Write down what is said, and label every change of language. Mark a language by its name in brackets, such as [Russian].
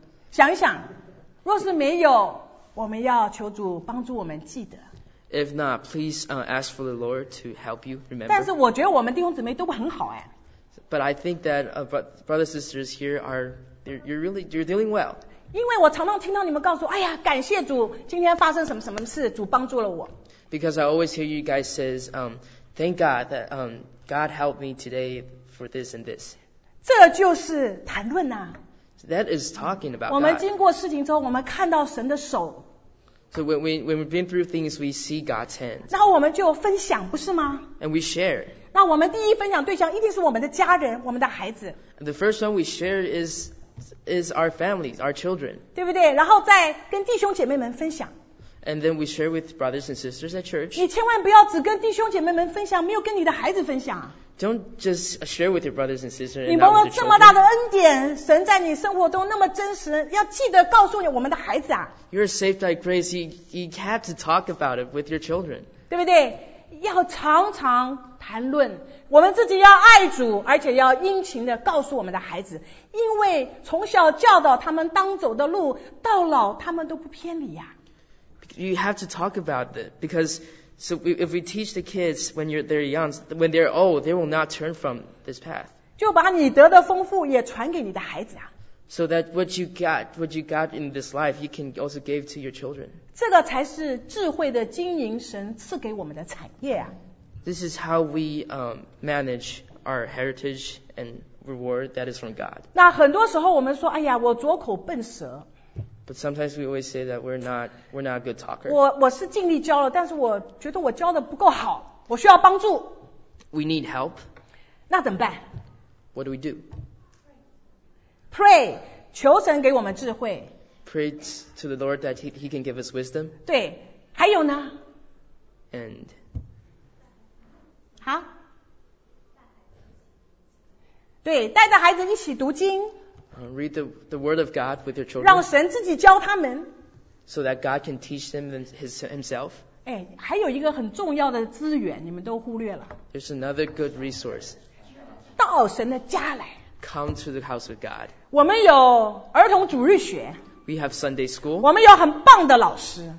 [Chinese] 想想，若是没有，我们要求主帮助我们记得。 [English] If not, please ask for the Lord to help you remember. [Chinese] 但是我觉得我们弟兄姊妹都很好哎。 [English] But I think that brothers and sisters here are you're doing well. [Chinese] 因为我常常听到你们告诉我，哎呀，感谢主，今天发生什么什么事，主帮助了我。 [English] Because I always hear you guys says, thank God that God helped me today for this and this. [Chinese] 这就是谈论呐。 [English] That is talking about. [Chinese] 我们经过事情之后，我们看到神的手。 [English] So when we've been through things, we see God's hand. [Chinese] 然后我们就分享，不是吗 [English] ？And we share. [Chinese] 那我们第一分享对象一定是我们的家人，我们的孩子。 [English] The first one we share is our families, our children. [Chinese] 对不对？然后再跟弟兄姐妹们分享。 [English] And then we share with brothers and sisters at church. [Chinese] 你千万不要只跟弟兄姐妹们分享，没有跟你的孩子分享。 [English] Don't just share with your brothers and sisters. [Chinese] 你蒙了这么大的恩典，神在你生活中那么真实，要记得告诉你我们的孩子啊。 [English] You're saved by grace. You have to talk about it with your children. [Chinese] 对不对？要常常谈论，我们自己要爱主，而且要殷勤的告诉我们的孩子，因为从小教导他们当走的路，到老他们都不偏离呀。 [English] You have to talk about it because so if we teach the kids they're young, when they're old, they will not turn from this path. [Chinese] 就把你得的丰富也传给你的孩子啊。 [English] So that what you got in this life, you can also give to your children. [Chinese] 这个才是智慧的经营，神赐给我们的产业啊。 [English] This is how we manage our heritage and reward that is from God. [Chinese] 那很多时候我们说，哎呀，我拙口笨舌。 [English] But sometimes we always say that we're not a good talker. [Chinese] 我是尽力教了，但是我觉得我教的不够好，我需要帮助。 [English] We need help. [Chinese] 那怎么办 [English] ？What do we do? [Chinese] Pray, 求神给我们智慧。 [English] Pray to the Lord that he can give us wisdom. [Chinese] 对，还有呢 [English] ？And [Chinese] 对，带着孩子一起读经。 [English] Read the word of God with your children. [Chinese] 让神自己教他们。 [English] So that God can teach them himself. [Chinese] 哎，还有一个很重要的资源，你们都忽略了。 [English] There's another good resource. [Chinese] 到神的家来。 [English] Come to the house of God. [Chinese] 我们有儿童主日学。 [English] We have Sunday school. [Chinese] 我们有很棒的老师。